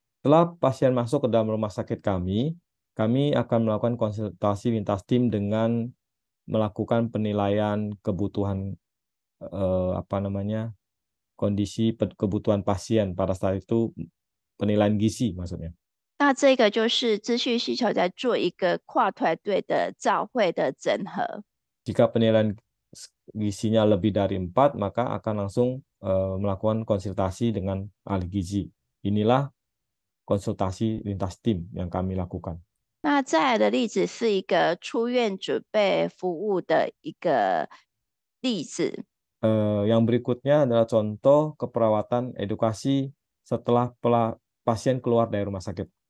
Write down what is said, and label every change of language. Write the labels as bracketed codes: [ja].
[id] Setelah pasien masuk ke dalam rumah sakit kami, kami akan melakukan konsultasi lintas tim dengan melakukan penilaian kebutuhan apa namanya kondisi kebutuhan pasien pada saat itu penilaian gizi maksudnya. [zh] 那这个就是资讯需求在做一个跨团队的召会的整合。 [id] Jika penilaian gizinya lebih dari 4, maka akan langsung melakukan konsultasi dengan ahli gizi. Inilah konsultasi lintas tim yang kami lakukan. [zh] 那再来的例子是一个出院准备服务的一个例子。 [id] Yang berikutnya adalah contoh keperawatan edukasi setelah pasien keluar dari rumah sakit.